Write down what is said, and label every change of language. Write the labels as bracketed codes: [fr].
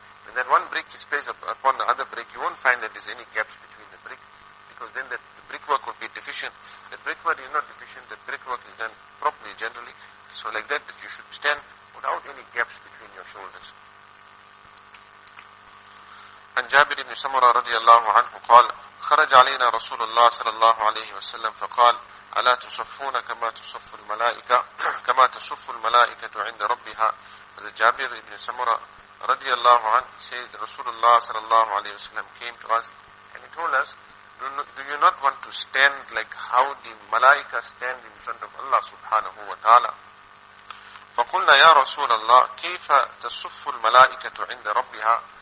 [en] When that one brick is placed upon the other brick, you won't find that there's any gaps between the brick, because then the brickwork would be deficient. The brickwork is not deficient, the brickwork is done properly generally. So like that you should stand without any gaps between your shoulders. [ar] عن جابر بن سمرة رضي الله عنه قال خرج علينا رسول الله صلى الله عليه وسلم فقال ألا تصفون كما تصف الملائكة كما تصف الملائكة عند ربها. جابر بن سمرة رضي الله عنه [en] said رسول الله صلى الله عليه وسلم came to us and he told us, do you not want to stand like how the ملائكة stand in front of Allah سبحانه وتعالى. [ar] فقلنا يا رسول الله كيف تصف الملائكة عند ربها.